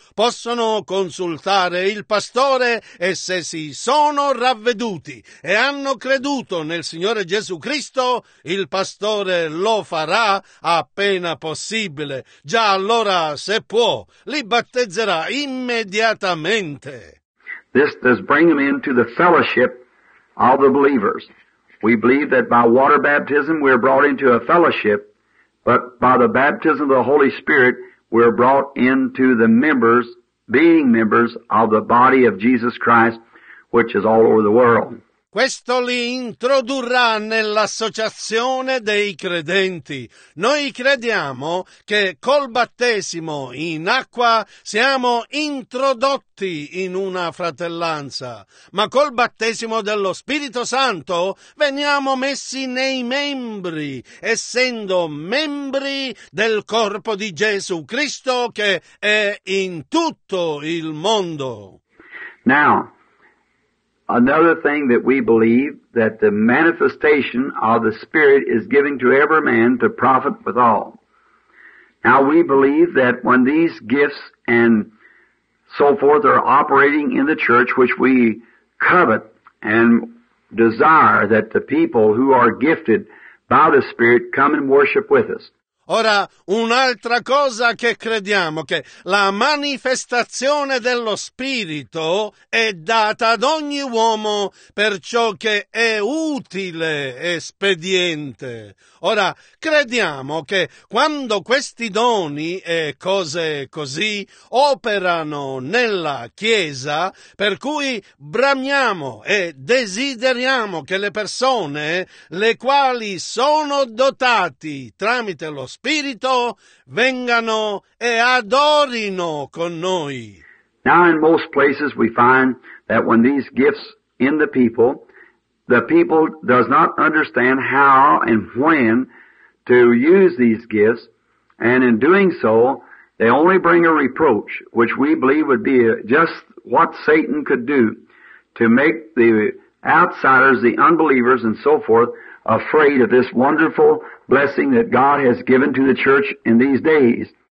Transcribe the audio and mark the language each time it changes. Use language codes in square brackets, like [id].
[it] Possono consultare il pastore e se si sono ravveduti e hanno creduto nel Signore Gesù Cristo, il pastore lo farà appena possibile. Già allora, se può, li battezzerà immediatamente. [en] This does bring them into the fellowship of the believers. We believe that by water baptism we are brought into a fellowship, but by the baptism of the Holy Spirit we are brought into the members, being members of the body of Jesus Christ, which is all over the world. [it] Questo li introdurrà nell'associazione dei credenti. Noi crediamo che col battesimo in acqua siamo introdotti in una fratellanza, ma col battesimo dello Spirito Santo veniamo messi nei membri, essendo membri del corpo di Gesù Cristo che è in tutto il mondo. [en] Now, another thing that we believe, that the manifestation of the Spirit is given to every man to profit withal. Now we believe that when these gifts and so forth are operating in the church, which we covet and desire that the people who are gifted by the Spirit come and worship with us. [it] Ora, un'altra cosa che crediamo, che la manifestazione dello Spirito è data ad ogni uomo per ciò che è utile e spediente. Ora, crediamo che quando questi doni e cose così operano nella Chiesa, per cui bramiamo e desideriamo che le persone, le quali sono dotati tramite lo Spirito, vengano e adorino con noi. [en] Now in most places we find that when these gifts in the people does not understand how and when to use these gifts, and in doing so, they only bring a reproach, which we believe would be just what Satan could do to make the outsiders, the unbelievers and so forth, afraid of this wonderful blessing that God has given to the church in these days.